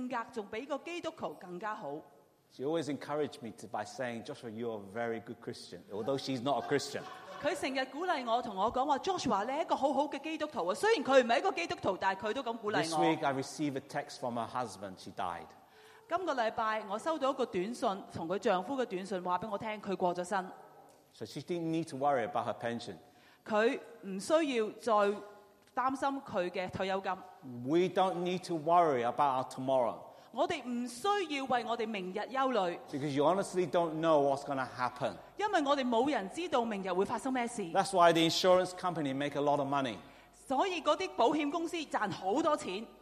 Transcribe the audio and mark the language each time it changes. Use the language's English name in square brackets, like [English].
[Chinese] 她雖然不是一個基督徒,但是她的性格比基督徒更加好。 [English] She always encouraged me to, by saying, Joshua, you are a very good Christian, although she's not a Christian. [Chinese] 她經常鼓勵我,跟我說,Joshua,你是一個很好的基督徒,雖然她不是一個基督徒,但她也這樣鼓勵我。 [English] This week, I received a text from her husband, she died. [Chinese] 今個星期,我收到一個短訊,從她丈夫的短訊,告訴我,她過了身。 [English] So she didn't need to worry about her pension. [Chinese] 她不需要再擔心她的退休金。 [English] We don't need to worry about our tomorrow. [Chinese] 我們不需要為我們明日憂慮。 [English] Because you honestly don't know what's going to happen. [Chinese] 因為我們沒有人知道明日會發生什麼事。 [English] That's why the insurance company make a lot of money. [Chinese] 所以那些保險公司賺很多錢。